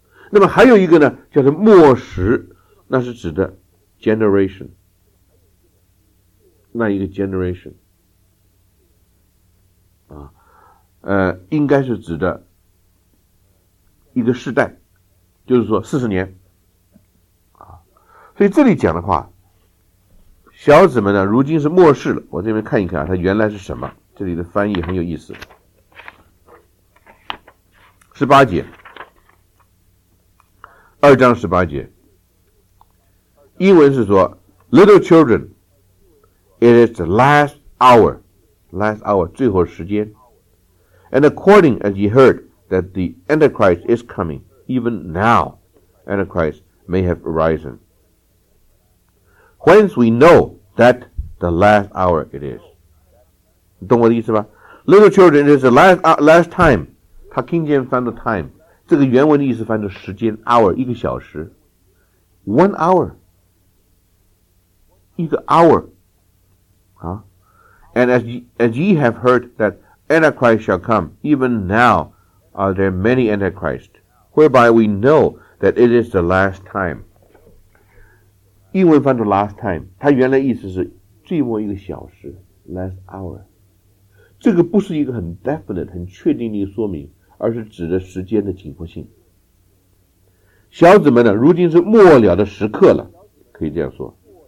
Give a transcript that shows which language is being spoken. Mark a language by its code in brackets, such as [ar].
[zh] 那么还有一个呢，叫做末时，那是指的 generation， 那一个 generation 啊，应该是指的一个世代。就是说四十年，所以这里讲的话，小子们呢，如今是末世了。我这边看一看啊，它原来是什么？这里的翻译很有意思。十八节，二章十八节，英文是说 [en] ，Little children, it is the last hour。 last hour, [zh] 最后时间。 [en] And according as ye heard that the Antichrist is coming, even now, Antichrist may have arisen. Whence we know that the last hour it is. [zh] 你懂我的意思吧？ [en] Little children, it is the last time. [zh] 他听见翻的 time。这个原文的意思翻的时间 hour, 一个小时。 [en] One hour. [zh] 一个 hour. [en] And as ye have heard that Antichrist shall come, even now are there many Antichrists, whereby we know that it is the last time. [zh] 英文翻成 [en] last time, [zh] 它原来意思是最末一个小时 [en] last hour. [zh] 这个不是一个很 definite, 很确定的一个说明，而是指的时间的紧迫性。小子们呢，如今是末了的时刻了，可以这样说。